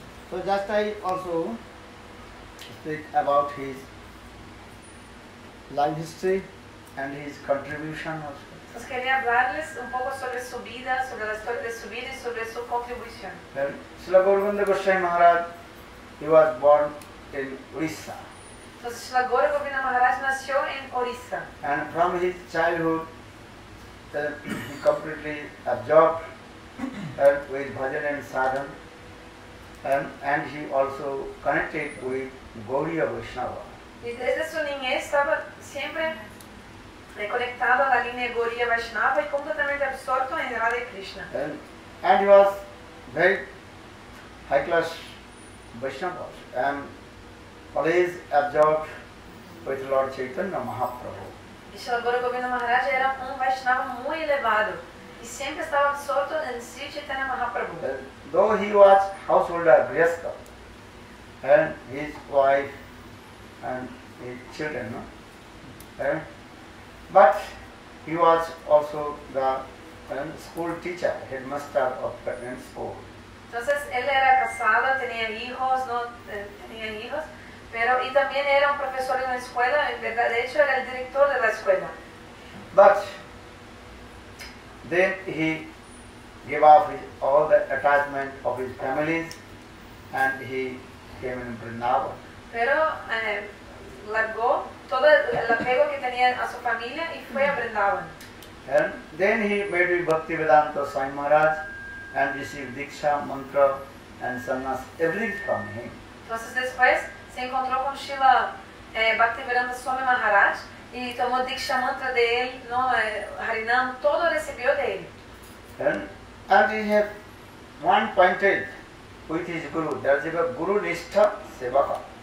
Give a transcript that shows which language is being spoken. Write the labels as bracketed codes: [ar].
[en] So just I also speak about his life history and his contribution also. [es] Pues quería hablarles un poco sobre su vida, sobre la historia de su vida y sobre su contribución. [en] Srila Gaura Govinda Goswami Maharaj, he was born in Orissa. [es] Entonces Srila Gaura Govinda Maharaj nació en Orissa. [en] And from his childhood, he completely absorbed with bhajan and sadhan, and he also connected with Gauriya Vaishnava. [es] Y desde su niñez estaba siempre conectado a la línea Gauriya Vaishnava y completamente absorto en Radha Krishna. [en] And he was very high class Vaishnava and always absorbed with Lord Chaitanya Mahaprabhu. [es] Y Srila Gaura Govinda Maharaj era un Vaishnava muy elevado y siempre estaba absorto en Sri Chaitanya Mahaprabhu. [en] Though he was householder, Grihastha, and his wife and his children, no? But he was also the school teacher, headmaster of Patan school. [es] Entonces él era casado, tenía hijos, no tenía hijos, pero y también era un profesor en la escuela, en verdad, de hecho era el director de la escuela. [en] But then he gave up all the attachment of his families and he came in Vrindavan. [es] Pero largó todo el apego que tenía a su familia y fue a Vrindavan. [en] And then he met with Bhaktivedanta Swami Maharaj and received Diksha, Mantra and Sannyas, everything from him. [es] Entonces después se encontró con Srila Bhaktivedanta Swami Maharaj y tomó Diksha, Mantra de él, no, Harinam, todo recibió de él. [en] And he had one pointed with his guru, that is a guru nishtha sevaka.